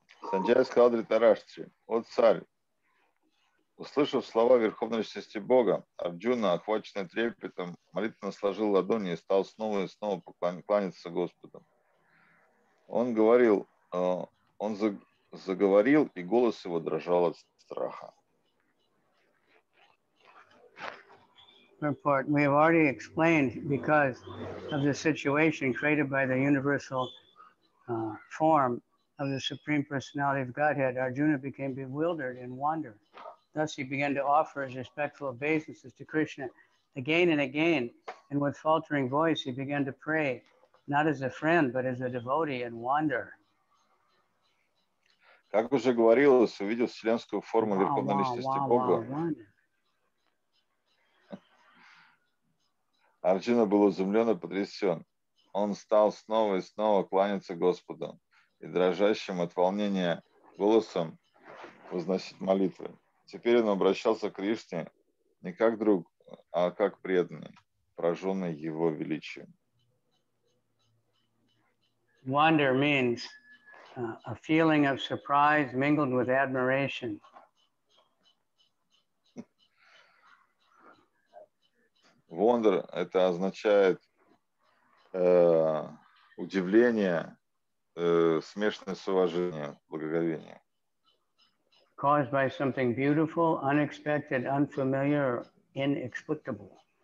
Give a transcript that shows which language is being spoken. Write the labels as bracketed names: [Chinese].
[Russian] Sanjaya сказал Дритараштре, «О царь, услышав слова Верховной Личности Бога, Арджуна, охваченный трепетом, молитвенно сложил ладони и стал снова и снова кланяться Господу. Он говорил, он заговорил, и голос его дрожал от страха. [English] Report. We have already explained because of the situation created by the universal form of the Supreme Personality of Godhead, Arjuna became bewildered and wandered. Thus he began to offer his respectful obeisances to Krishna again and again, and with faltering voice he began to pray, not as a friend, but as a devotee and wanderer. [Russian] Как уже говорилось, увидел вселенскую форму Верховной Личности Бога. Арджуна был изумлен и потрясен. Он стал снова и снова кланяться Господу и дрожащим от волнения голосом возносить молитвы. Теперь он обращался к Кришне не как друг, а как преданный, пораженный его величием. [English] Wonder means a feeling of surprise mingled with admiration. [Russian] Wonder, это означает удивление, смешанное с уважением, благоговением. [English] Caused by something beautiful, unexpected, unfamiliar, inexplicable.